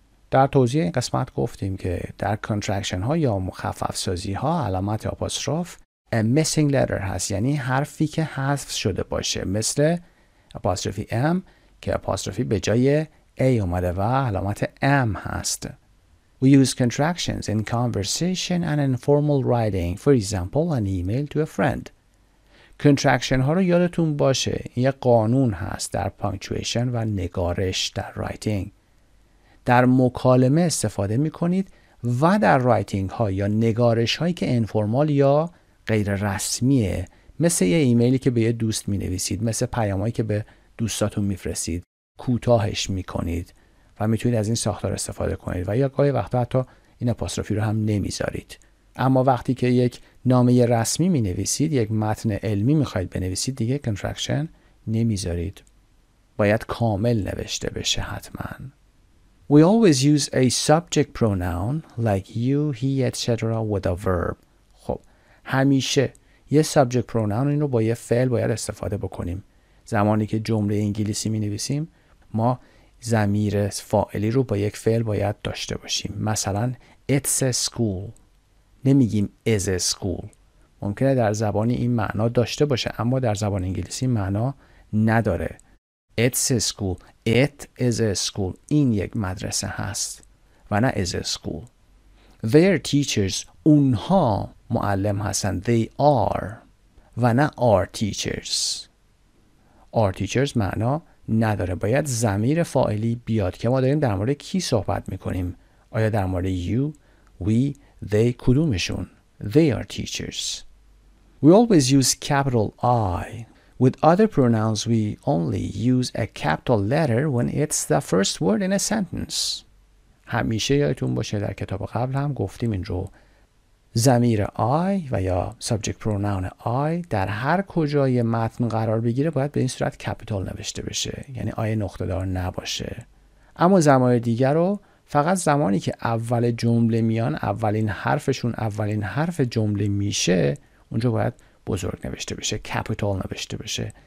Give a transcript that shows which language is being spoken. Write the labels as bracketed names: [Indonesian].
[Persian] در توضیح این قسمت گفتیم که در contraction ها یا مخفف سازی ها علامت apostrophe [English] a missing letter [Persian] هست، یعنی حرفی که حذف شده باشه، مثل apostrophe M که apostrophe به جای A اومده و علامت M هست. [English] We use contractions in conversation and informal writing. For example, an email to a friend. [Persian] Contraction ها رو یادتون باشه. یه قانون هست در punctuation و نگارش در writing. در مکالمه استفاده می کنید و در writing ها یا نگارش هایی که informal یا غیر رسمیه. مثل یه ایمیلی که به یه دوست می نویسید. مثل پیام هایی که به دوستاتون می فرستید. کوتاهش می کنید. و میتونید از این ساختار استفاده کنید و یا گاهی وقتا حتی این اپاستروفی رو هم نمیذارید. اما وقتی که یک نامه رسمی مینویسید، یک متن علمی میخواید بنویسید، دیگه contraction نمیذارید. باید کامل نوشته بشه حتما. [English] We always use a subject pronoun like you, he, etc. with a verb. [Persian] خب همیشه یه subject pronoun این رو با یه فعل باید استفاده بکنیم. زمانی که جمله انگلیسی مینویسیم ما ضمیر فاعلی رو با یک فعل باید داشته باشیم. مثلا [English] it's a school، [Persian] نمیگیم [English] is a school. [Persian] ممکنه در زبانی این معنا داشته باشه اما در زبان انگلیسی معنا نداره. [English] It's a school. It is a school. [Persian] این یک مدرسه هست و نه [English] is a school. Their teachers. [Persian] اونها معلم هستن. [English] They are [Persian] و نه [English] are teachers. [Persian] Are teachers معنا نداره. باید ضمیر فاعلی بیاد که ما داریم در مورد کی صحبت میکنیم. آیا در مورد [English] you, we, they، [Persian] کدومشون؟ [English] They are teachers. We always use capital I. With other pronouns, we only use a capital letter when it's the first word in a sentence. [Persian] همیشه یادتون باشه در کتاب قبل هم گفتیم این رو. ضمیر I و یا subject pronoun I در هر کجای متن قرار بگیره باید به این صورت capital نوشته بشه. یعنی I نقطه دار نباشه. اما ضمایر دیگر رو فقط زمانی که اول جمله میان، اولین حرفشون اولین حرف جمله میشه، اونجا باید بزرگ نوشته بشه، capital نوشته بشه.